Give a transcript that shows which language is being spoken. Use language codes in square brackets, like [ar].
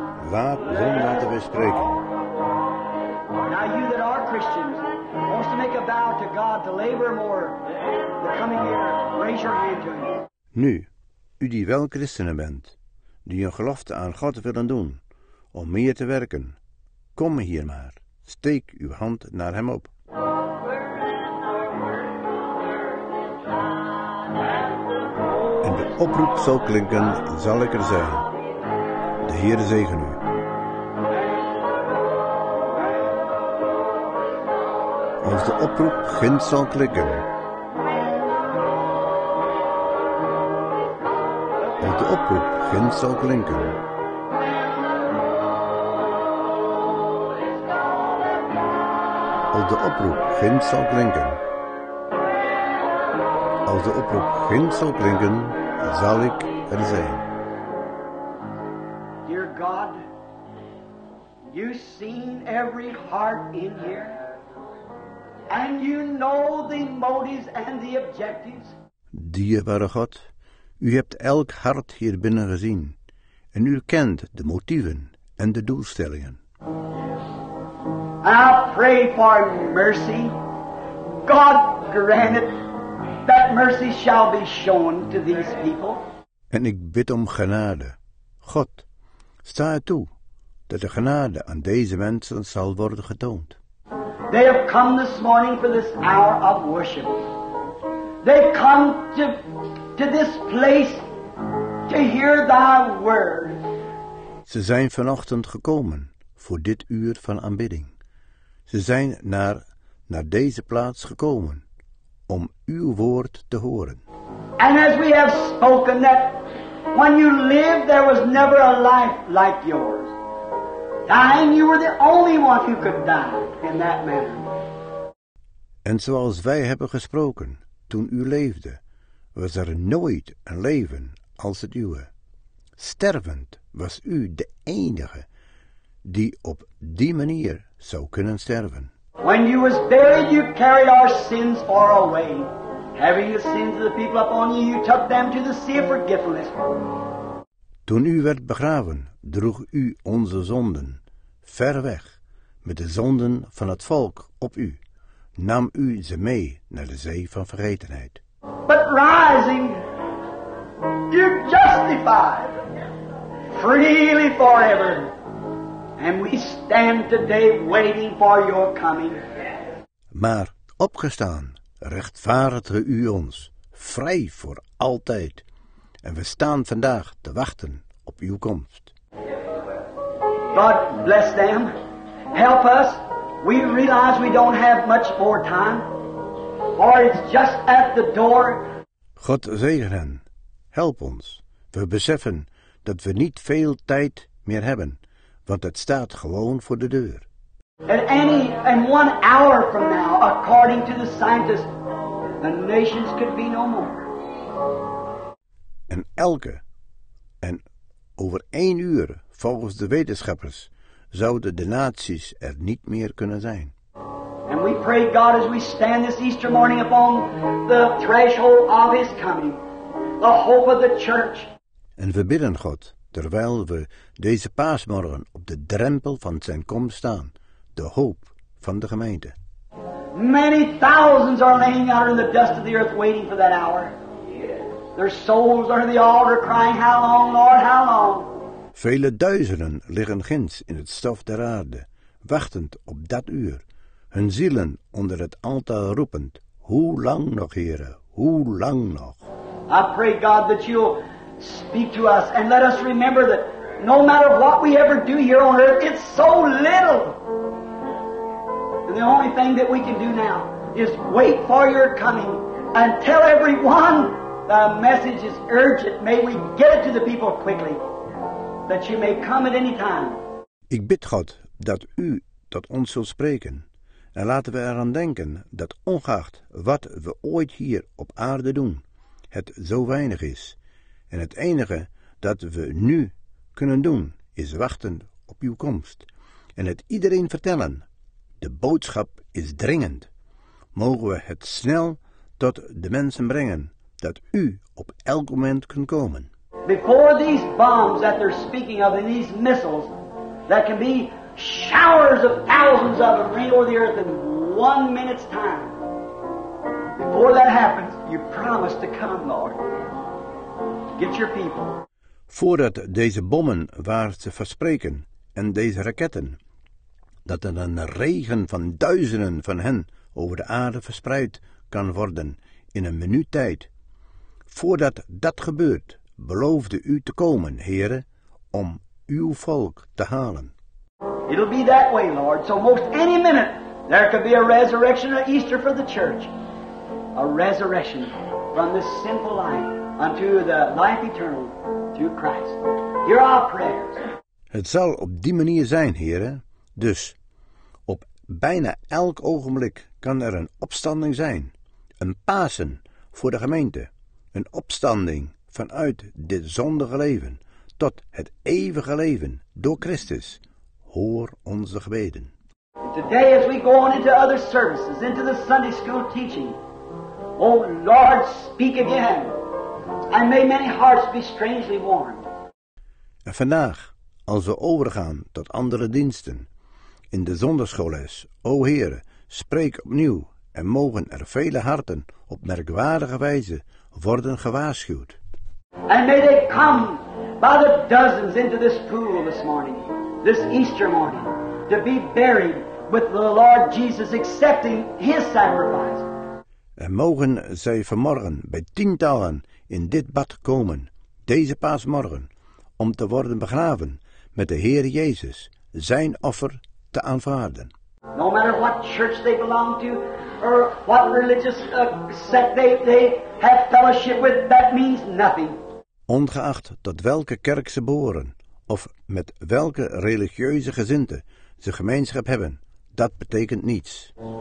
[nl] Laat hem laten wij spreken. [en] Now you that are Christians, wants to make a vow to God to labor more the coming year. Raise your hand to him. [nl] Nu, u die wel christenen bent, die een gelofte aan God willen doen om meer te werken, kom hier maar. Steek uw hand naar hem op. En de oproep zal klinken, zal ik er zijn. De Heer zegen u. Als de oproep ginds zal klinken. Als de oproep ginds zal klinken. Als de oproep ginds zal klinken. Als de oproep ginds zal klinken, zal ik er zijn. [en] Dear God, you seen every heart in here. And you know the motives and the objectives. [nl] Dierbare God, u hebt elk hart hier binnen gezien. En u kent de motieven en de doelstellingen. [en] I pray for mercy. God grant it that mercy shall be shown to these people. [nl] En ik bid om genade. God, sta toe dat de genade aan deze mensen zal worden getoond. [en] They have come this morning for this hour of worship. They've come to this place to hear thy word. [nl] Ze zijn vanochtend gekomen voor dit uur van aanbidding. Ze zijn naar deze plaats gekomen om uw woord te horen. [en] And as we have spoken that when you lived there was never a life like yours. Dying you were the only one who could die in that manner. [nl] En zoals wij hebben gesproken toen u leefde, was er nooit een leven als het uwe. Stervend was u de enige die op die manier zou kunnen sterven. [en] When you was buried, you carried our sins far away. Having the sins of the people upon you, you took them to the sea of forgetfulness. [nl] Toen u werd begraven, droeg u onze zonden ver weg met de zonden van het volk op u. Nam u ze mee naar de zee van vergetenheid. [en] But rising, you justified freely forever. And we stand today waiting for your coming. [nl] Maar opgestaan, rechtvaardigde u ons, vrij voor altijd. En we staan vandaag te wachten op uw komst. [en] God bless them. Help us. We realize we don't have much more time. Or it's just at the door. [nl] God zegen hen. Help ons. We beseffen dat we niet veel tijd meer hebben, want het staat gewoon voor de deur. [en] In 1 hour from now, according to the scientists, the nations could be no more. [nl] En over 1 uur, volgens de wetenschappers, zouden de naties er niet meer kunnen zijn. [en] And we pray God as we stand this Easter morning upon the threshold of his coming, the hope of the church. [nl] En we bidden God, terwijl we deze paasmorgen op de drempel van zijn komst staan, de hoop van de gemeente. [en] Many thousands are laying out in the dust of the earth waiting for that hour. Their souls are in the altar crying, how long, Lord, how long? [nl] Vele duizenden liggen ginds in het stof der aarde, wachtend op dat uur. Hun zielen onder het altaar roepend, hoe lang nog, Heere, hoe lang nog? [en] I pray, God, that you'll speak to us and let us remember that no matter what we ever do here on earth, it's so little. And the only thing that we can do now is wait for your coming and tell everyone the message is urgent. May we get it to the people quickly, that you may come at any time. [nl] Ik bid God dat u tot ons zult spreken. En laten we eraan denken dat ongeacht wat we ooit hier op aarde doen, het zo weinig is. En het enige dat we nu kunnen doen is wachten op uw komst. En het iedereen vertellen. De boodschap is dringend. Mogen we het snel tot de mensen brengen dat u op elk moment kunt komen. [en] Before these bombs that they're speaking of and these missiles that can be showers of thousands of them rain over the earth in 1 minute's time. Before that happens, you promise to come, Lord. Get your people. [nl] Voordat deze bommen waar ze verspreken en deze raketten, dat er een regen van duizenden van hen over de aarde verspreid kan worden in een minuut tijd. Voordat dat gebeurt, beloofde u te komen, Heere, om uw volk te halen. [en] It'll be that way, Lord. So most any minute there could be a resurrection or Easter for the church. A resurrection from this sinful life unto the life eternal through Christ. Hear our prayers. [nl] Het zal op die manier zijn, Heere. Dus op bijna elk ogenblik kan er een opstanding zijn. Een Pasen voor de gemeente. Een opstanding vanuit dit zondige leven tot het eeuwige leven door Christus. Hoor onze gebeden. [en] Today as we go on into other services, into the Sunday school teaching, O Lord, speak again, and may many hearts be strangely warmed. [nl] En vandaag, als we overgaan tot andere diensten, in de zondagsschoolles, O Heere, spreek opnieuw, en mogen er vele harten op merkwaardige wijze worden gewaarschuwd. [en] And may they come by the dozens into this pool this morning. This Easter morning, to be buried with the Lord Jesus accepting his sacrifice. [nl] En mogen zij vanmorgen bij tientallen in dit bad komen, deze paasmorgen, om te worden begraven met de Heer Jezus, zijn offer te aanvaarden. [en] No matter what church they belong to, or what religious sect they have fellowship with, that means nothing. [nl] Ongeacht tot welke kerk ze behoren, of met welke religieuze gezindte ze gemeenschap hebben, dat betekent niets.